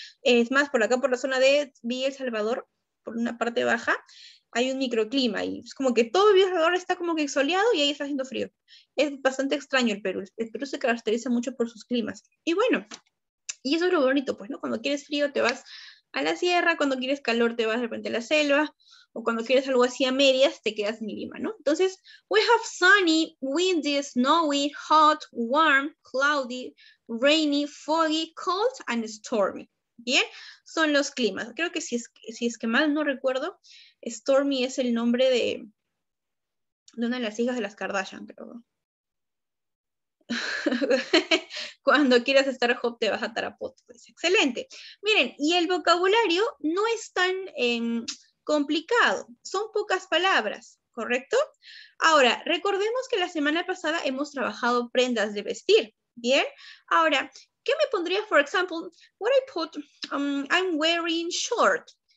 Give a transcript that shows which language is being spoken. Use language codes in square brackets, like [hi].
[es] Es más, por acá, por la zona de Villa El Salvador, por una parte baja, hay un microclima, y es como que todo el Villa El Salvador está como que soleado y ahí está haciendo frío. Es bastante extraño el Perú. El Perú se caracteriza mucho por sus climas. Y bueno, y eso es lo bonito, pues, ¿no? Cuando quieres frío te vas a la sierra, cuando quieres calor te vas de repente a la selva, o cuando quieres algo así a medias te quedas en Lima, ¿no? [en] Entonces, we have sunny, windy, snowy, hot, warm, cloudy, rainy, foggy, cold, and stormy. [es] Bien, son los climas. Creo que si es que mal no recuerdo, Stormy es el nombre de una de las hijas de las Kardashian, creo. Cuando quieras estar hot te vas a Tarapoto, pues. Excelente. Miren, y el vocabulario no es tan complicado. Son pocas palabras, ¿correcto? Ahora, recordemos que la semana pasada hemos trabajado prendas de vestir. Bien, ahora, ¿qué me pondría? [en] For example, what I put, I'm wearing shorts.